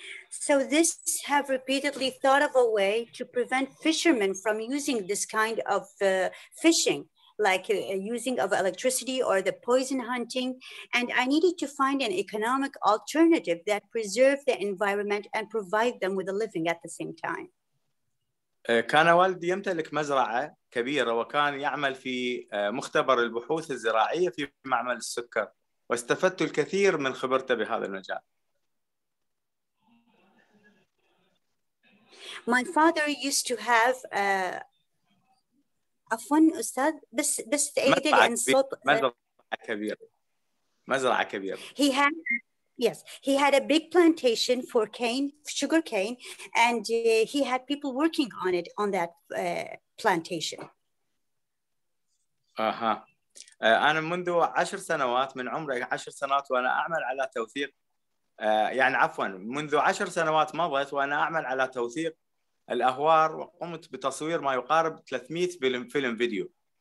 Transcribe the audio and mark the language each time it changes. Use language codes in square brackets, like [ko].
[en] So this have repeatedly thought of a way to prevent fishermen from using this kind of fishing. Like using of electricity or the poison hunting. And I needed to find an economic alternative that preserve the environment and provide them with a living at the same time. [ar] كان والدي يمتلك مزرعة كبيرة وكان يعمل في مختبر البحوث الزراعية في معمل السكر. واستفدت الكثير من خبرته بهذا المجال. [en] My father used to have [ar] عفواً أستاذ بس تأكد إن صوت مزرعة كبيرة. [en] He had a big plantation for cane, sugar cane, and he had people working on it on that plantation. [ar] أنا منذ 10 سنوات من عمري 10 سنوات وأنا أعمل على توثيق يعني عفواً منذ 10 سنوات مضت وأنا أعمل على توثيق. الأهوار وقمت بتصوير ما يقارب 300 فيلم فيديو.